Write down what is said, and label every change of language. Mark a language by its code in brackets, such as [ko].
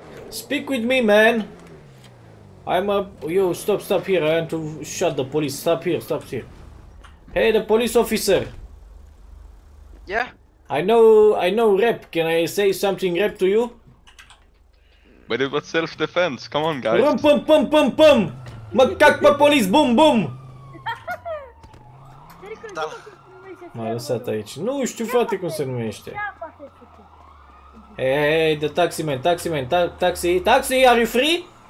[en] Speak with me, man! I'm a... Yo, stop, stop here, I want to shut the police. Stop here, stop here. Hey, the police officer! Yeah? I know rap, can I say something rap to you? But it was self-defense, come on, guys. Rum pum pum pum pum! [ro] Mă cac pe police, boom boom! Da. M-a lăsat aici. Nu știu, frate, cum se numește. [en] Hei, hei, hey, the taxi man, taxi man, taxi, taxi, are you free?